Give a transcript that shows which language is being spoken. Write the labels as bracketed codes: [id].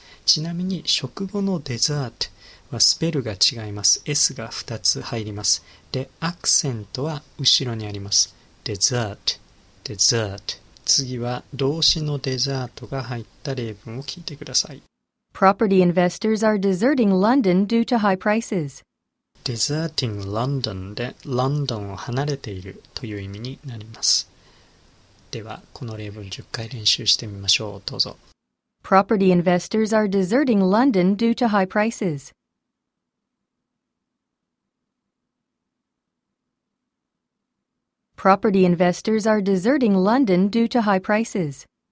[ja] ちなみに、食後のデザートはスペルが違います。 S が2つ入ります。で、アクセントは後ろにあります。デザート、デザート。次は、動詞のデザートが入った例文を聞いてください。 [en] Property investors are deserting London due to high prices. Deserting London [ja] で、ロンドンを離れているという意味になります。では、この例文10回練習してみましょう。どうぞ。 [en] Property investors are deserting London due to high prices. Property investors are deserting London due to high prices.